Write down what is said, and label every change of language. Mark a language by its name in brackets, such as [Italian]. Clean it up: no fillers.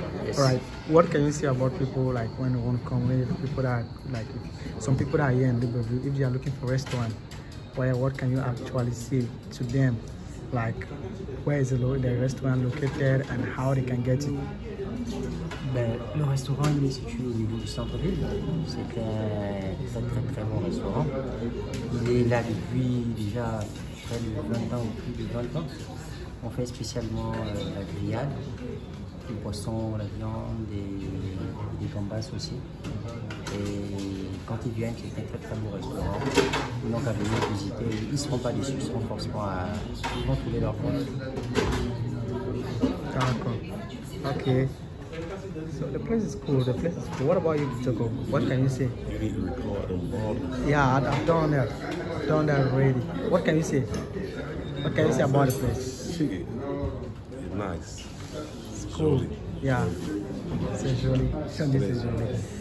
[English] Yes. Alright. What can you say about people like when you want to come? When people that like some people that are here in Libreville, if they are looking for a restaurant, where what can you actually say to them? Like where is the restaurant located and how they can get it? [French] Ben, le restaurant il est situé au niveau du centre-ville, c'est un très très bon restaurant. Il est là depuis déjà près de 20 ans ou plus de 20 ans. On fait spécialement la grillade, le poisson, la viande et des gambas aussi. Et quand ils viennent, c'est un très très bon restaurant. Donc à venir visiter, ils ne seront pas déçus, ils seront forcément à ils vont trouver leur compte. D'accord. Ok. [English] So the place is cool, the place is cool. What about you, Togo? What can you say? You need to record a lot. Yeah, I've done that already. What can you say? What can you say about the place? It's nice. It's cool. Yeah. It's really. This is really.